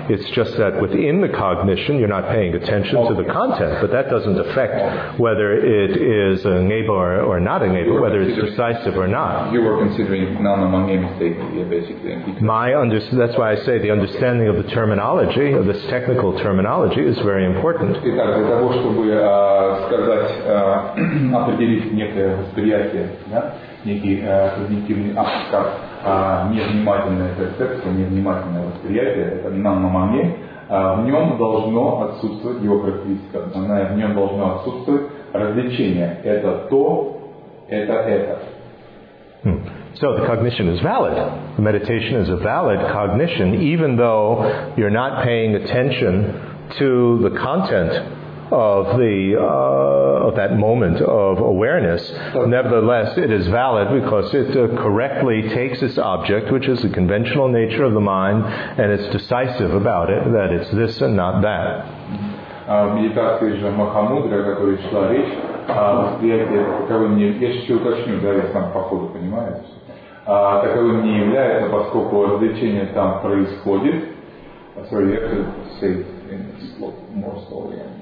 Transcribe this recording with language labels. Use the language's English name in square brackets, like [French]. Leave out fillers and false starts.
[English] It's just that within the cognition, you're not paying attention to the content, but that doesn't affect whether it is a ngeba or not a ngeba, whether it's decisive or not. You were considering nanglamangeba basically. That's why I say the understanding of the terminology, of this technical terminology, is very important. [Russian] Итак, для того, чтобы сказать, определить некое восприятие, да, некий когнитивный аппарат, невнимательная перцепция, невнимательное восприятие, это нанмамане, в нем должно отсутствовать его характеристика, в нем должно отсутствовать развлечение. Это то, это. [English] So the cognition is valid. The meditation is a valid cognition, even though you're not paying attention to the content of the of that moment of awareness. Nevertheless, it is valid because it correctly takes its object, which is the conventional nature of the mind, and it's decisive about it, that it's this and not that. [Russian] Медитация же махамудре, о которой шла речь, восприятие таковым не является. Я сейчас уточню, да, я сам по ходу понимаю. Таковым не является, поскольку развлечение там происходит. [English] Sorry, you have to say it in more slowly.